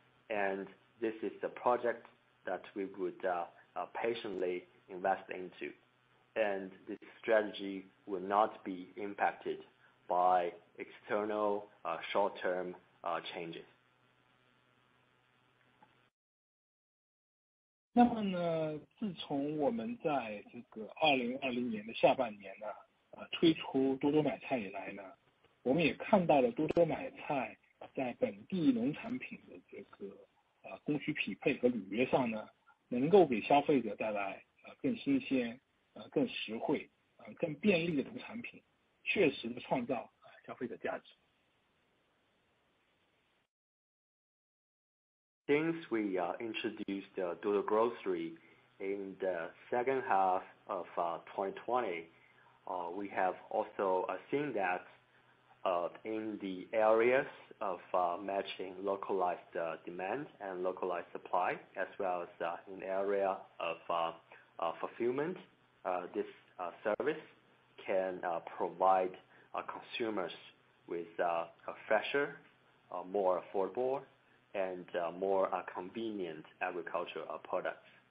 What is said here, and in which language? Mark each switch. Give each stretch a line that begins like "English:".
English: And this is the project that we would patiently invest into. And this strategy will not be impacted by external short-term changes.
Chinese: 那么呢，自从我们在这个2020年的下半年呢，推出多多买菜以来呢，我们也看到了多多买菜在本地农产品的这个供需匹配和履约上呢，能够给消费者带来更新鲜、更实惠、更便利的农产品，确实的创造消费者价值。
English: Since we introduced Duoduo Grocery in the second half of 2020, we have also seen that. In the areas of matching localized demand and localized supply, as well as in the area of fulfillment, this service can provide consumers with a fresher, more affordable, and more convenient agricultural products.